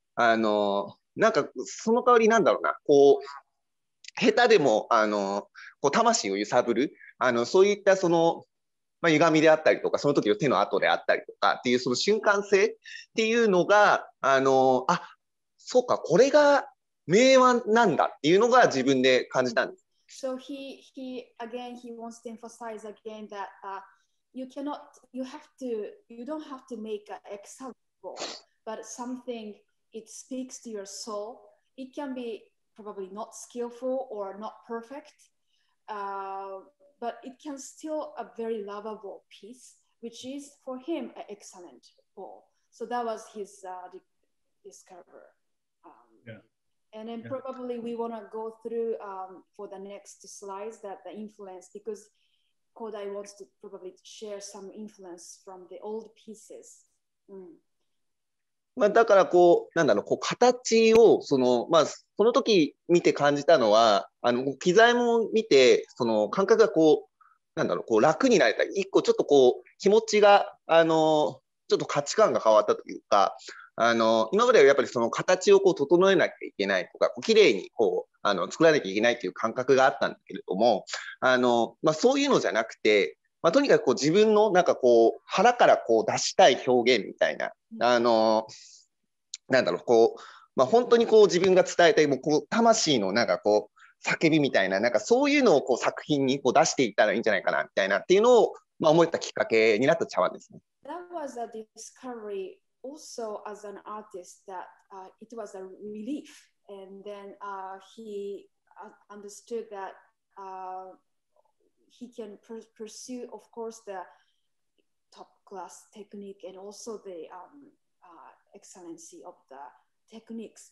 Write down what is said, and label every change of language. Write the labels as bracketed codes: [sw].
[ja] なんか、その代わりなんだろうな、こう、下手でも、こう、魂を揺さぶる、そういったその、まあ、歪みであったりとか、その時の手の跡であったりとかっていう、その瞬間性っていうのが、あ、そうか、これが名腕なんだっていうのが自分で感じたんです。 [en] So he again, he wants to emphasize again that, you don't have to make an excellent ball, but something it speaks to your soul. It can be probably not skillful or not perfect, but it can still a very lovable piece, which is for him an excellent bowl. So that was his discoverer. And then probably we want to go through for the next slides that the influence, because Kodai wants to probably share some influence from the old pieces. [ja] まあ、だからこう、なんだろう、こう形を、その、まあ、その時見て感じたのは、あの、機材も見て、その感覚がこう、なんだろう、こう楽になれた。一個ちょっとこう、気持ちが、あの、ちょっと価値観が変わったというか、あの、今まではやっぱりその形をこう整えなきゃいけないとか、こう綺麗にこう、あの、作らなきゃいけないという感覚があったんだけれども、あの、まあ、そういうのじゃなくて、まあ、とにかくこう自分のなんかこう腹からこう出したい表現みたいな、なんだろう、こう、まあ、本当にこう自分が伝えたい、もうこう魂のなんかこう叫びみたいな、なんかそういうのをこう作品にこう出していったらいいんじゃないかなみたいなっていうのを、まあ、思ったきっかけになった茶碗ですね。 [en] That was a discovery also as an artist that、it was a relief. And then、he understood that、he can pursue, of course, the top-class technique and also the excellency of the techniques.